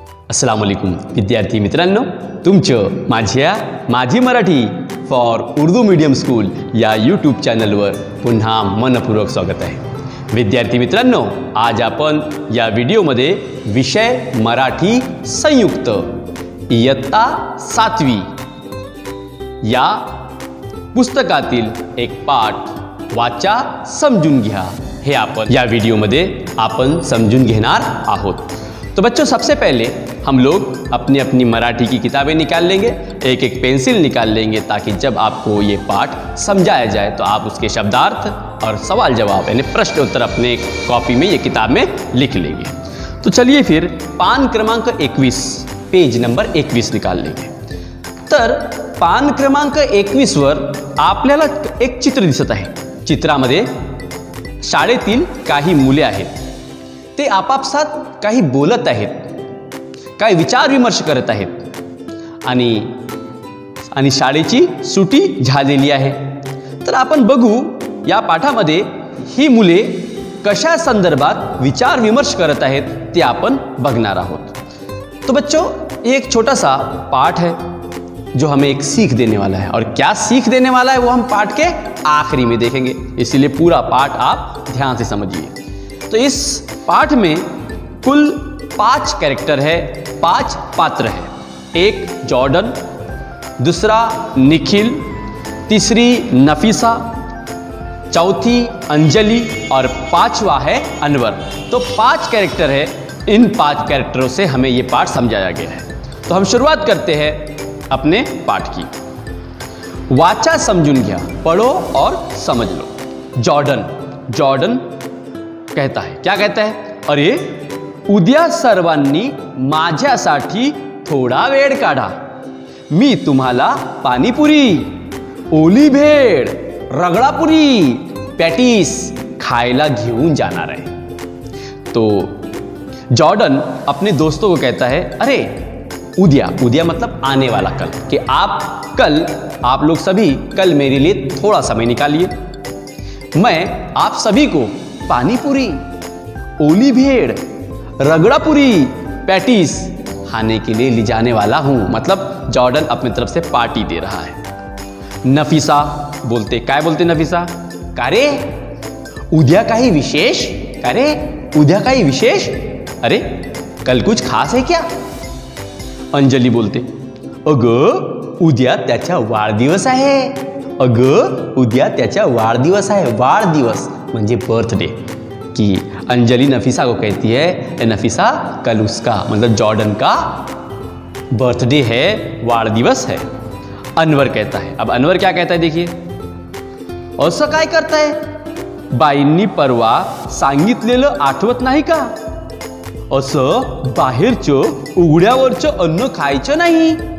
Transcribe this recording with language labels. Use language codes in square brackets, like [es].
[mr] Assalamualaikum, विद्यार्थी मित्रांनो, तुमचं माझ्या माझी Marathi for Urdu medium school या YouTube चॅनलवर पुन्हा मनपूर्वक स्वागत आहे. विद्यार्थी मित्रांनो, आज आपण या व्हिडिओ मध्ये विषय मराठी संयुक्त इयत्ता 7वी या पुस्तकातील एक पाठ वाचा समजून घ्या हे आपण या व्हिडिओ मध्ये आपण समजून घेणार आहोत. [hi] तो बच्चों, सबसे पहले हम लोग अपनी अपनी मराठी की किताबें निकाल लेंगे, एक एक पेंसिल निकाल लेंगे, ताकि जब आपको ये पाठ समझाया जाए तो आप उसके शब्दार्थ और सवाल जवाब यानी प्रश्न उत्तर अपने कॉपी में ये किताब में लिख लेंगे. तो चलिए फिर पान क्रमांक 21, पेज नंबर 21 निकाल लेंगे. [mr] तर पान क्रमांक 21 वर आपल्याला एक चित्र दिसत आहे. चित्रामध्ये शाळेतील काही मुले आहेत, ते आपापसात काही बोलत आहेत, काही विचार विमर्श करत आहेत आणि आणि शाळेची सुटी झालेली आहे. तर आपण बघू या पाठामध्ये ही मुले कशा संदर्भात विचार विमर्श करत आहेत ते आपण बघणार आहोत. [hi] तो बच्चों, एक छोटा सा पाठ है जो हमें एक सीख देने वाला है, और क्या सीख देने वाला है वो हम पाठ के आखिरी में देखेंगे, इसीलिए पूरा पाठ आप ध्यान से समझिए. तो इस पाठ में कुल 5 कैरेक्टर है, 5 पात्र है. एक जॉर्डन, दूसरा निखिल, तीसरी नफीसा, चौथी अंजलि और पांचवा है अनवर. तो 5 कैरेक्टर है, इन 5 कैरेक्टरों से हमें ये पाठ समझाया गया है. तो हम शुरुआत करते हैं अपने पाठ की. वाचा समझुन गया, पढ़ो और समझ लो. जॉर्डन, जॉर्डन कहता है, क्या कहता है? [mr] अरे उद्या सर्वांनी माझ्यासाठी थोड़ा वेळ काढा, मी तुम्हाला पाणीपुरी, ओली भेळ, रगडापुरी, पॅटीस खायला घेऊन जाणार आहे. [hi] तो जॉर्डन अपने दोस्तों को कहता है, अरे उद्या, उद्या मतलब आने वाला कल, कि आप कल, आप लोग सभी कल मेरे लिए थोड़ा समय निकालिए, मैं आप सभी को पानीपुरी, ओली भेड़, रगड़ापुरी, पैटीस खाने के लिए ले जाने वाला हूँ. मतलब जॉर्डन अपनी तरफ से पार्टी दे रहा है. [mr] नफीसा बोलते, काय बोलते नफीसा? कारे उद्या का ही विशेष, कारे उद्या का ही विशेष, [hi] अरे कल कुछ खास है क्या? [mr] अंजलि बोलते, अग उद्या त्याचा वाढदिवस आहे, अग उद्या त्याचा वाढदिवस आहे. वाढदिवस म्हणजे बर्थडे. [hi] की अंजलि नफीसा को कहती है, ए नफीसा कल उसका मतलब जॉर्डन का बर्थडे है, वाढदिवस है. अनवर कहता है, अब अनवर क्या कहता है देखिए, [mr] असं काय करताय, बाईंनी परवा सांगितलेलं आठवत नाही का? असं बाहेरचं उघड्यावरचं अन्न खायचं नाही.